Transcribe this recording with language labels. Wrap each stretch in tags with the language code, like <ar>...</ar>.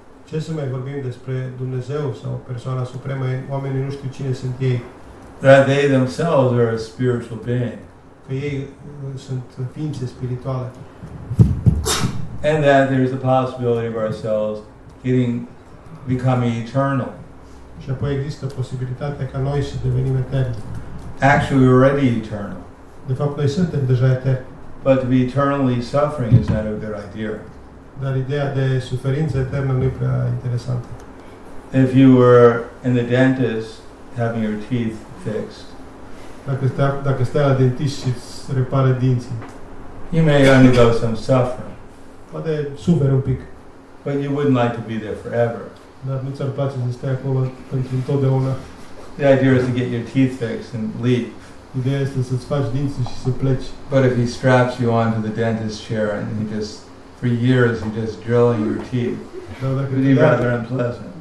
<ro>Ce să mai vorbim despre Dumnezeu sau persoana supremă, oamenii nu știu cine sunt ei.</ro> <en>That they themselves are a spiritual being.</en> <ro>Că ei sunt ființe spirituale.</ro> <en>And that there is a possibility of ourselves becoming eternal.</en> <ro>Și apoi există posibilitatea ca noi să devenim eterni.</ro> <en>Actually, we're already eternal.</en> <ro>De fapt, noi suntem deja eterni.</ro> <en>But to be eternally suffering is not a good idea.</en> <ro>Dar ideea de suferință eternă nu e prea interesantă.</ro> <en>If you were in the dentist having your teeth fixed,</en> <ro>dacă stai la dentist și îți repară dinții,</ro> <en>you may undergo some suffering.</en> <ro>Poate suferi un pic.</ro> <en>But you wouldn't like to be there forever.</en> <ro>Dar nu ți-ar place să stai acolo pentru întotdeauna.</ro> <en>The idea is to get your teeth fixed and leave.</en> <ro>Ideea este să-ți faci dinții și să pleci.</ro> <en>But if he straps you onto the dentist chair and he just, for years, he just drill your teeth, it'd be rather unpleasant.</en>